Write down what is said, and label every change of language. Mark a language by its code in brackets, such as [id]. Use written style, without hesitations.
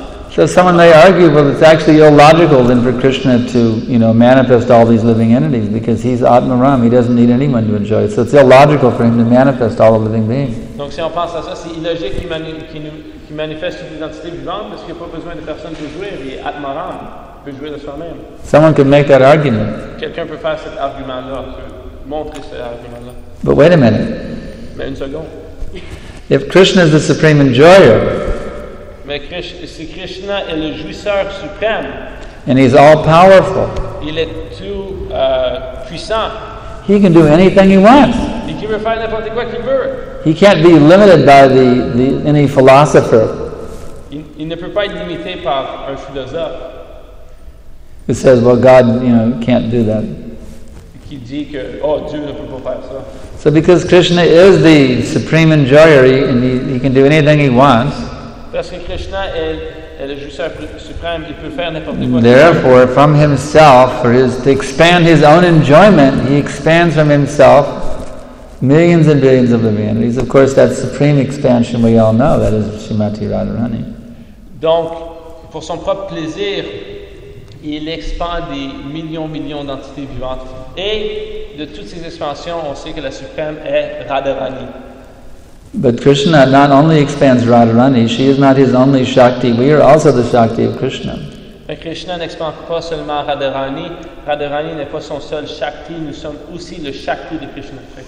[en] So someone may argue, well, it's actually illogical then for Krishna to, manifest all these living entities because he's Atmaram. He doesn't need anyone to enjoy it. So it's illogical for him to manifest all the living beings. [fr] Donc si on pense à ça, c'est illogique qu'il manifeste toute l'identité vivante parce qu'il n'y a pas besoin de personne pour jouer. Il est Atmaram. Il peut jouer de soi-même. [en] Someone could make that argument. [fr] Quelqu'un peut faire cet argument-là, peut montrer cet argument-là. [en] But wait a minute. [fr] Mais une seconde. [en] If Krishna is the supreme enjoyer, [fr] si Krishna est le jouisseur suprême, [en] and he's all powerful, [fr] il est tout puissant, [en] he can do anything he wants. [fr] Il peut faire n'importe quoi qu'il veut. [en] He can't be limited by the any philosopher. [fr] Il ne peut pas être limité par un philosophe. [en] Who says, well, God, can't do that. [fr] Qui dit que, oh, Dieu ne peut pas faire ça. [en] So because Krishna is the supreme enjoyer, he can do anything he wants. [fr] Parce que Krishna est le jouisseur suprême, il peut faire n'importe quoi. [en] Therefore, from himself, to expand his own enjoyment, he expands from himself millions and billions of living entities. Of course, that supreme expansion we all know, that is Srimati Radharani. [fr] Donc, pour son propre plaisir, il expand des millions d'entités vivantes. Et de toutes ces expansions, on sait que la suprême est Radharani. [en] But Krishna not only expands Radharani, she is not his only Shakti. We are also the Shakti of Krishna. [fr] Mais Krishna n'expand pas seulement Radharani. Radharani n'est pas son seul Shakti. Nous sommes aussi le Shakti de Krishna.